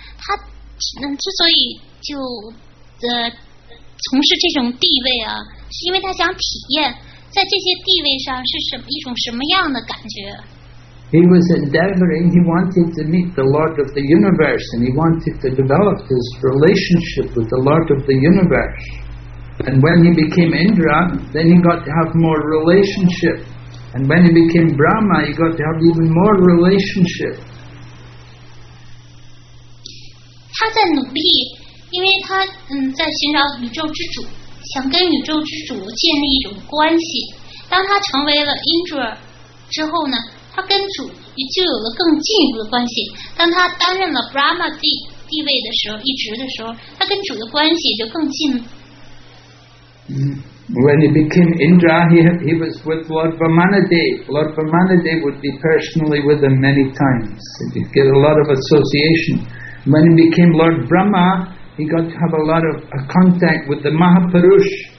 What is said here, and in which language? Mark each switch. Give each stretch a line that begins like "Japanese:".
Chinese: 他之所以就从事这种地位啊，是因为他想体验在这些地位上是一种什么样的感觉。
English: He was endeavoring, he wanted to meet the Lord of the Universe, and he wanted to develop his relationship with the Lord of the Universe. And when he became Indra, then he got to have more relationship. And when he became Brahma, he got to have even more relationship.
Chinese: 他在努力，因为他在寻找宇宙之主，想跟宇宙之主建立一种关系。当他成为了 Indra 之后呢，他跟主就有了更进一步的关系。当他担任了 Brahma 地位的时候，一职的时候，他跟主的关系就更近。
English: When he became Indra, he was with Lord Vamanadeva. Lord Vamanadeva would be personally with him many times. He'd get a lot of association. When he became Lord Brahma, he got to have a lot of contact with the Mahapurush.